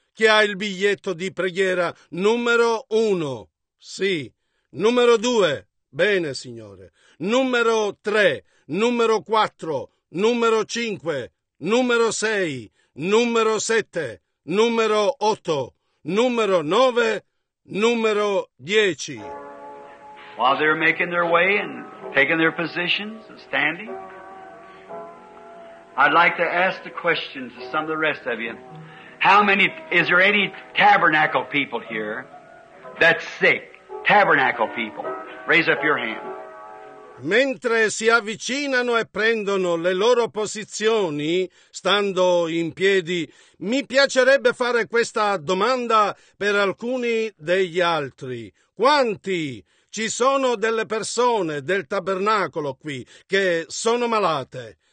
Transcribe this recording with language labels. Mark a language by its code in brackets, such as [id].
[it] Chi ha il biglietto di preghiera numero 1? Sì. Numero 2? Bene, signore. Numero 3, numero 4, numero 5, numero 6, numero 7, numero 8, numero 9, numero 10. [en] While they're making their way and taking their positions and standing, I'd like to ask the question to some of the rest of you. How many, is there any tabernacle people here that's sick? Tabernacle people. Raise up your hand. [it] Mentre si avvicinano e prendono le loro posizioni, stando in piedi, mi piacerebbe fare questa domanda per alcuni degli altri. Quanti ci sono delle persone del tabernacolo qui che sono malate?